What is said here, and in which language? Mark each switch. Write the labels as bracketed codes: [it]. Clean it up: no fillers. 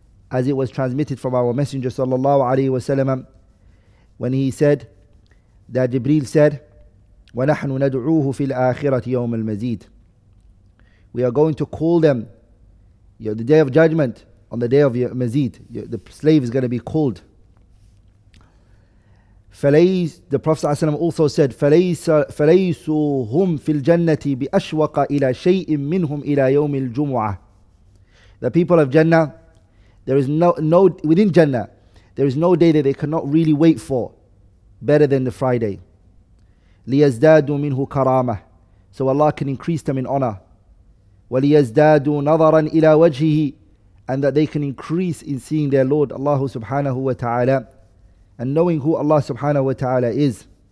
[en] As it was transmitted from our Messenger sallallahu alayhi wa sallam when he said that Jibreel said, ونحن ندعوه في الآخرة يوم المزيد. We are going to call them, the day of judgment, on the day of Mazid, the slave is going to be called. [ar] فليس, the Prophet صلى الله عليه وسلم also said, فليسوا هم في الجنة بأشوق إلى شيء منهم إلى يوم الجمعة. [en] The people of Jannah, there is no within Jannah, there is no day that they cannot really wait for better than the Friday. لِيَزْدَادُوا مِنْهُ كَرَامَةً So Allah can increase them in honor. وَلِيَزْدَادُوا نَظَرًا إِلَىٰ وَجْهِهِ And that they can increase in seeing their Lord Allah subhanahu wa ta'ala and knowing who Allah subhanahu wa ta'ala is.